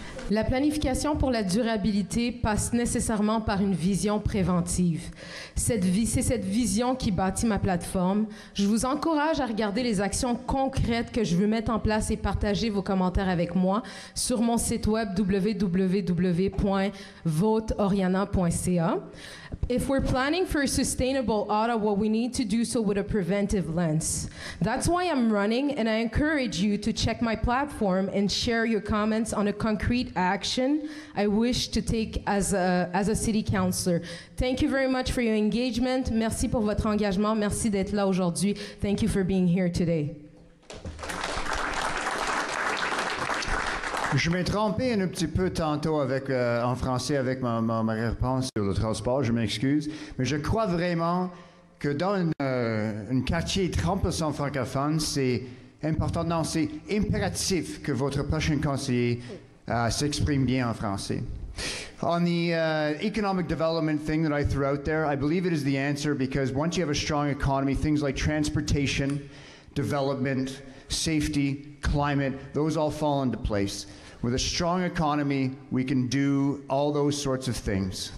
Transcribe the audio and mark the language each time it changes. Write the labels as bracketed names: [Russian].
[French] La planification pour la durabilité passe nécessairement par une vision préventive. C'est cette vision qui bâtit ma plateforme. Je vous encourage à regarder les actions concrètes que je veux mettre en place et partager vos commentaires avec moi sur mon site web www.voteoriana.ca. [English] If we're planning for a sustainable Ottawa, we need to do so with a preventive lens. That's why I'm running, and I encourage you to check my platform and share your comments on a concrete action I wish to take as a city councillor. Thank you very much for your engagement. [French] Merci pour votre engagement. Merci d'être là aujourd'hui. [English] Thank you for being here today. [French] Je m'ai trompé un petit peu tantôt avec, en français avec ma réponse sur le transport, je m'excuse. Mais je crois vraiment que dans un quartier 30% francophone, c'est important, non, c'est impératif que votre prochain conseiller s'exprime bien en français. [English] On the economic development thing that I threw out there, I believe it is the answer because once you have a strong economy, things like transportation, development, safety, climate, those all fall into place. With a strong economy, we can do all those sorts of things.